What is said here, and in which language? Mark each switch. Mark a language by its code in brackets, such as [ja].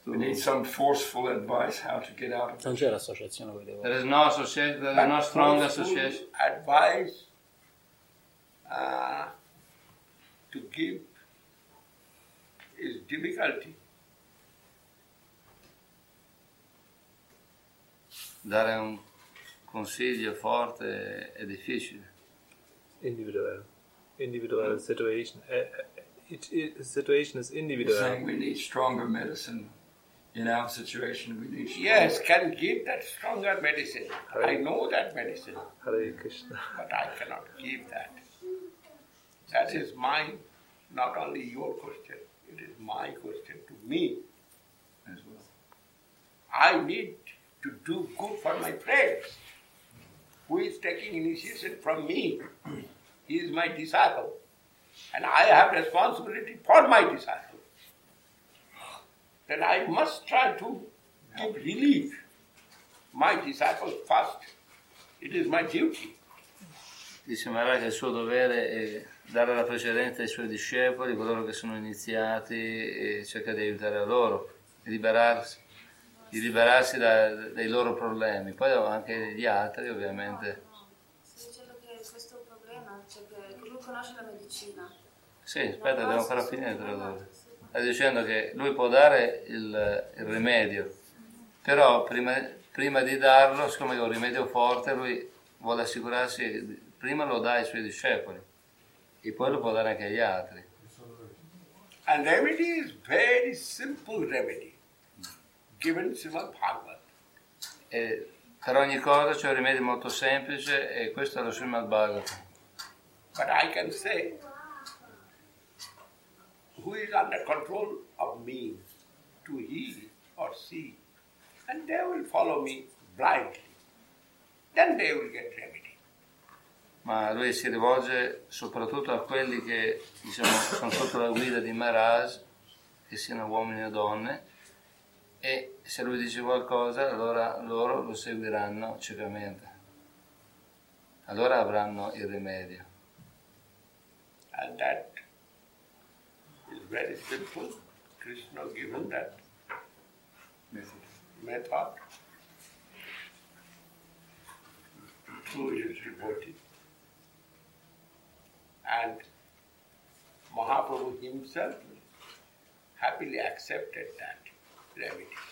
[en] We need some forceful advice how to get out of it. [it] Non c'è l'associazione. [en] There is no association. There is no strong association. Advice to give is difficulty. [it] Dare un consiglio forte è difficile. [en] Individual. Individual situation. Situation is individual. You're saying we need stronger medicine in our situation. We need stronger. Yes, can give that stronger medicine. Hare. I know that medicine. Hare Krishna. But I cannot give that. That is my, not only your question. It is my question to me as well. I need to do good for my friends. Who is taking initiation from me? He is my disciple. And I have responsibility for my disciple. Then I must try to give relief to my disciples first. It is my duty. [it] Dice Maharaj, il suo dovere è dare la precedenza ai suoi discepoli, coloro che sono iniziati, e cercare di aiutare a loro, di liberarsi dai loro problemi. Poi anche gli altri, ovviamente. Sto dicendo che questo è un problema, cioè che lui conosce la medicina. Sì, aspetta, devo ancora finire tra loro. Sta dicendo che lui può dare il rimedio, però prima di darlo, siccome è un rimedio forte, lui vuole assicurarsi, prima lo dà ai suoi discepoli. E poi lo può dare anche agli altri. [en] A remedy is very simple remedy given Srimad Bhagavatam. [it] Per ogni cosa c'è un rimedio molto semplice e questo è lo Srimad Bhagavatam. [en] But I can say who is under control of me to he or she, and they will follow me blindly. Then they will get remedy. [it] Ma lui si rivolge soprattutto a quelli che diciamo, sono sotto la guida di Maharaj, che siano uomini o donne, e se lui dice qualcosa, allora loro lo seguiranno ciecamente. Allora avranno il rimedio. [en] And that is very simple. Krishna given that method to his devotees. And Mahaprabhu himself happily accepted that remedy.